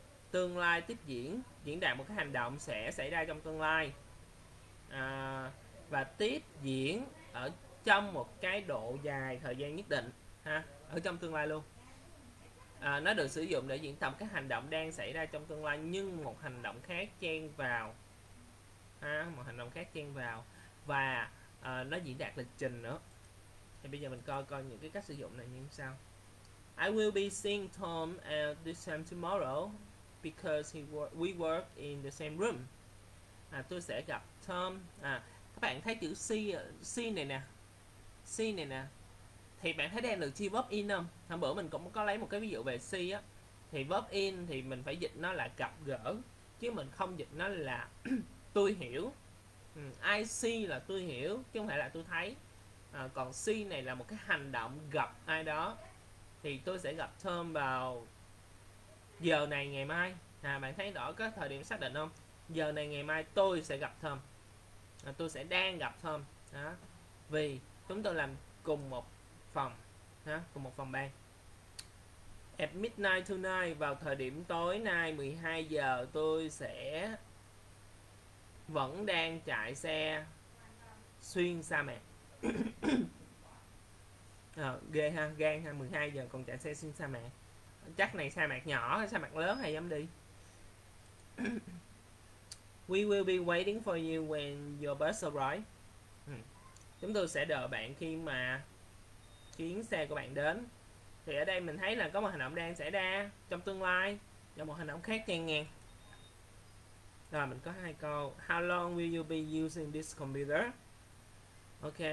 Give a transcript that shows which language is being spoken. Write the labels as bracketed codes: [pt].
[vi] Tương lai tiếp diễn, diễn đạt một cái hành động sẽ xảy ra trong tương lai à, và tiếp diễn ở trong một cái độ dài thời gian nhất định ha, ở trong tương lai luôn. À, nó được sử dụng để diễn tập cái hành động đang xảy ra trong tương lai nhưng một hành động khác chen vào ha, một hành động khác chen vào và nó diễn đạt lịch trình nữa. Thì bây giờ mình coi coi những cái cách sử dụng này như sao. [en] I will be seeing Tom at this time tomorrow because we work in the same room. [vi] À, tôi sẽ gặp Tom. À, các bạn thấy chữ C này nè, C này nè, thì bạn thấy đang được chi verb in không? Hôm bữa mình cũng có lấy một cái ví dụ về C á, thì verb in thì mình phải dịch nó là gặp gỡ chứ mình không dịch nó là tôi hiểu. I see là tôi hiểu chứ không phải là tôi thấy. À, còn see này là một cái hành động gặp ai đó, thì tôi sẽ gặp Tom vào giờ này ngày mai. À, bạn thấy rõ cái thời điểm xác định không? Giờ này ngày mai tôi sẽ gặp Tom. À, tôi sẽ đang gặp Tom đó. Vì chúng tôi làm cùng một phòng đó, cùng một phòng ban. [en] At midnight tonight, [vi] vào thời điểm tối nay 12 giờ tôi sẽ vẫn đang chạy xe xuyên sa mạc. À, ghê ha, gan ha, 12 giờ còn chạy xe xuyên sa mạc. Chắc này sa mạc nhỏ hay sa mạc lớn hay dám đi. [en] We will be waiting for you when your bus arrives. [vi] Chúng tôi sẽ đợi bạn khi mà chuyến xe của bạn đến. Thì ở đây mình thấy là có một hành động đang xảy ra trong tương lai và một hành động khác chen ngang. Rồi mình có hai câu. [en] How long will you be using this computer? Ok.